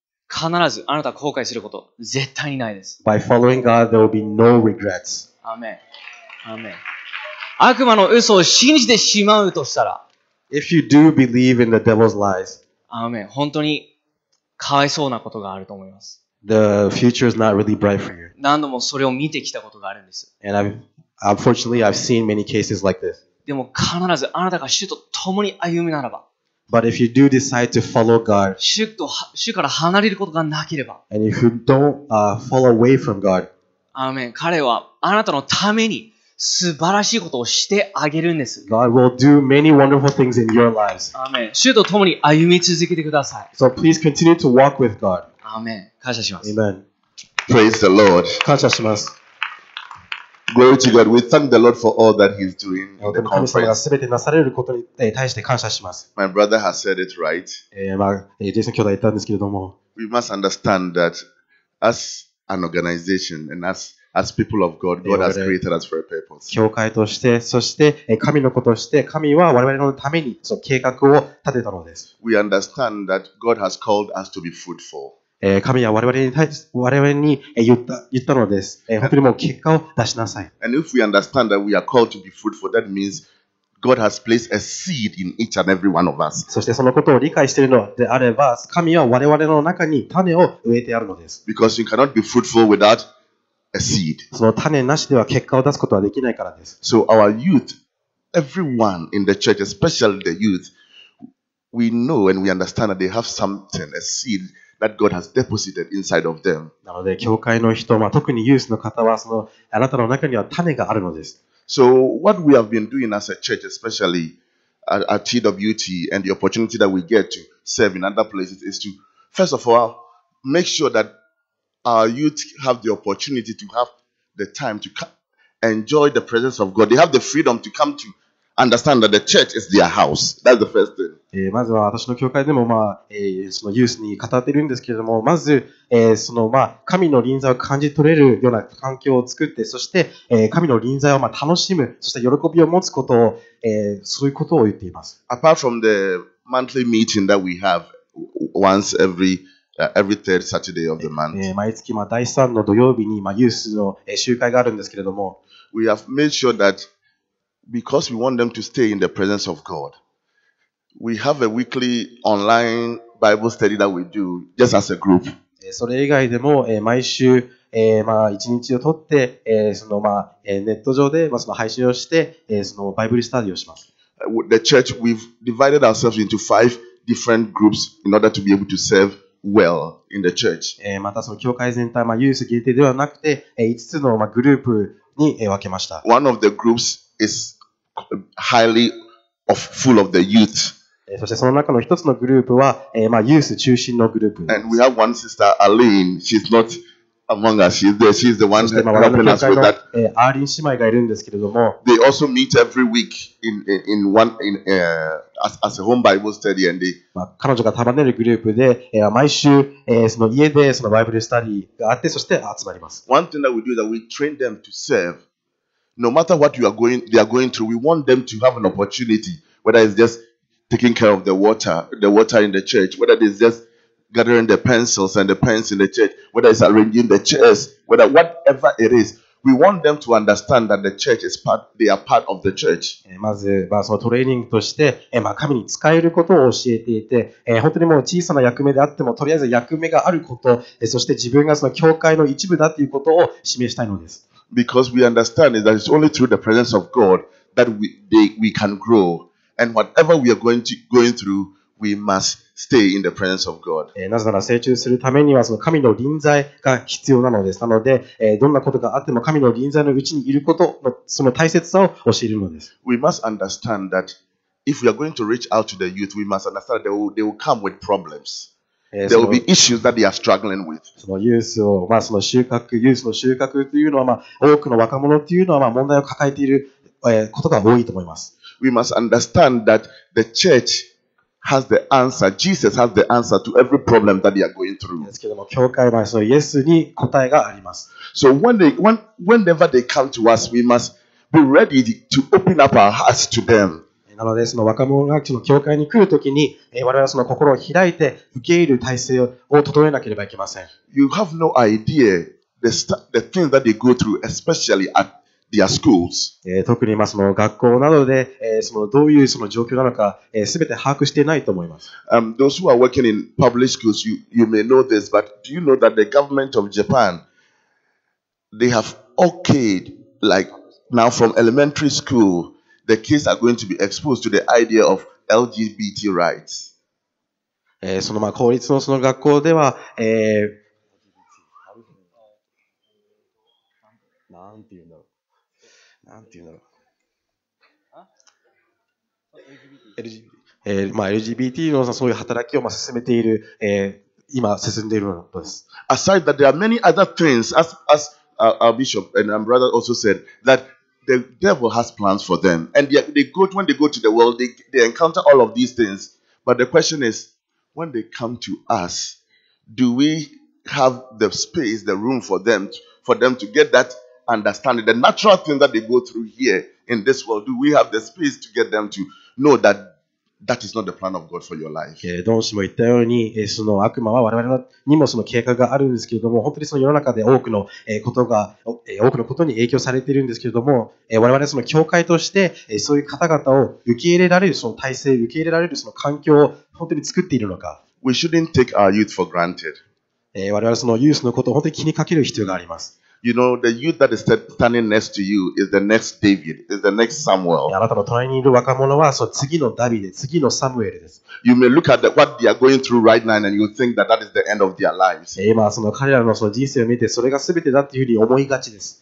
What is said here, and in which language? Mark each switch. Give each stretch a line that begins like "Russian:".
Japanese: 必ずあなた後悔すること絶対にないです。
English: By following God, there will be no regrets.
Japanese: アメン。アメン。悪魔の嘘を信じてしまうとしたら、
English: If you do believe in the devil's lies,
Japanese: アーメン。本当にかわいそうなことがあると思います。
English: The future is not really bright for you.
Japanese: 何度もそれを見てきたことがあるんです。
English: And unfortunately, I've seen many cases like this.
Japanese: でも必ずあなたが主と共に歩むならば、
English: But if you do decide to follow God,
Japanese: 主から離れることがなければ、
English: And if you don't, fall away from God,
Japanese: アーメン。彼はあなたのために、素晴らしいことをしてあげるんです。
English: God will do many wonderful things in your lives.
Japanese: アーメン。主と共に歩み続けてください。
English: So please continue to walk with God.
Japanese: アーメン。感謝します。
English: Amen. Praise the Lord.
Japanese: 感謝します。
English: Glory to God. We thank the Lord for all that He's doing in the conference.
Japanese: 神様がすべてなされることに対して感謝します。
English: My brother has said it right.
Japanese: まあ、ジェイソン兄弟言ったんですけれども。
English: We must understand that as an organization and as people of God, God has created us for a purpose.
Japanese: 教会として、そして神の子として、神は我々のためにその計画を立てたのです。
English: We understand that God has called us to be fruitful.
Japanese: 神は我々に言ったのです。本当にもう結果を出しなさい。
English: And if we understand that we are called to be fruitful, that means God has placed a seed in each and every one of us.
Japanese: そしてそのことを理解しているのであれば、神は我々の中に種を植えてあるのです。
English: Because you cannot be fruitful without A seed.
Japanese: その種なしでは結果を出すことはできないからです。
English: So our youth, everyone in the church, especially the youth, we know and we understand that they have something, a seed that God has deposited inside of them.
Japanese: なので教会の人、まあ、特にユースの方はそのあなたの中には種があるのです。
English: So what we have been doing as a church, especially at TWT and the opportunity that we get to serve in other places is to first of all make sure that our youth have the opportunity to have the time to enjoy the presence of God. They have the freedom to come to understand that the church is their house. That's the first thing.
Japanese: まずは私の教会でも、まあそのユースに語っているんですけれども、まず、そのまあ神の臨在を感じ取れるような環境を作って、そして、神の臨在をまあ楽しむ、そして喜びを持つことを、そういうことを言っています。
English: Apart from the monthly meeting that we have once every every third Saturday of the month.
Japanese: 毎月まあ第3の土曜日にまあユースの集会があるんですけれども、
English: we have made sure that because we want them to stay in the presence of God. We have a weekly online Bible study that we do just as a group.
Japanese: それ以外でも毎週まあ1日を取ってそのまあネット上でまあその配信をしてそのバイブルスタディをします。
English: The church we've divided ourselves into five different groups in order to be able to serve well in the church.
Japanese: またその教会全体まあユース限定ではなくて5つのまあグループに分けました。
English: One of the groups is highly full of the youth.
Japanese: そしてその中の一つのグループは、まあユース中心のグループ。
English: And we have one sister, Aline. She's not among us. She's there. She's the one helping us with that.
Japanese: アーリン姉妹がいるんですけれども。
English: They also meet every week in one as a home Bible study and they.
Japanese: まあ彼女が束ねるグループで、毎週、その家でそのバイブルスタディがあってそして集まります。
English: One thing that we do is that we train them to serve. No matter what you are going, they are going through, we want them to have an opportunity, whether it's justTaking care of the water in the church, whether it's just gathering the pencils and the pens in the church, whether it's arranging the chairs, whether whatever it is, we want them to understand that the church is part, they are part of the church.
Japanese: まず、まあ、そのトレーニングとして、まあ、神に使えることを教えていて、本当にもう小さな役目であっても、とりあえず役目があること、そして自分がその教会の一部だということを示したいのです。
English: Because we understand that it's only through the presence of God that we can grow. And whatever we are going through, we must stay in the presence of God.
Japanese: なぜなら成長するためにはその神の臨在が必要なのです。なので、どんなことがあっても神の臨在のうちにいることのその大切さを教えるのです。
English: We must understand that if we are going to reach out to the youth, we must understand that they will come with problems. There will be issues that they are struggling with.
Japanese: そのユースを、まあ、その収穫、ユースの収穫というのは、まあ、多くの若者というのは、まあ、問題を抱えている、ことが多いと思います。
English: We must understand that the church has the answer. Jesus has the answer to every problem that they are going through.
Japanese: ですけども、教会はそのイエスに答えがあります。
English: So whenever they come to us, we must be ready to open up our hearts to them.
Japanese: なので、その若者たちの教会に来るときに、我々はその心を開いて受け入れる体制を整えなければいけません。
English: You have no idea the things that they go through, especially at their schools.
Japanese: 特にまあその学校などで、そのどういうその状況なのか、すべて把握していないと思います。
English: Those who are working in public schools, you may know this, but do you know that the government of Japan, they have okayed, like now from elementary school, the kids are going to be exposed to the idea of LGBT rights.
Japanese: そのまあ公立のその学校では、LGBT のそういう働きを進めている、今進んでいるのです。
English: Aside that there are many other things, as our bishop and our brother also said, that the devil has plans for them. And when they go to the world, they encounter all of these things. But the question is, when they come to us, do we have the space, the room for them to get that? Understanding the natural thing that they go through here in this world, do we have the space to get them to know that is not the plan of God for your life?
Japanese: ドン氏も言ったように、その悪魔は我々にもその計画があるんですけれども、本当にその世の中で多くのことが多くのことに影響されているんですけれども、我々その教会としてそういう方々を受け入れられるその体制、受け入れられるその環境を本当に作っているのか。
English: We shouldn't take our youth for granted.
Japanese: 我々そのユースのことを本当に気にかける必要があります。
English: You know, the youth that is standing next to you is the next David, is the next Samuel. You may look at what they are going through right now and you think that that is the end of their lives.